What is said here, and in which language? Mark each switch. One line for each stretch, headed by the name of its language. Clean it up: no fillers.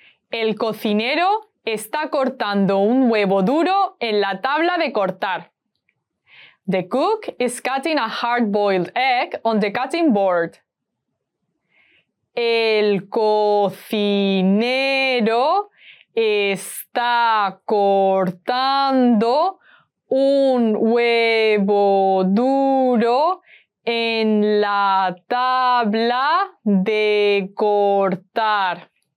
Spanish: El cocinero está cortando un huevo duro en la tabla de cortar.
English: The cook is cutting a hard-boiled egg on the cutting board.
Spanish: El cocinero está cortando un huevo duro en la tabla de cortar.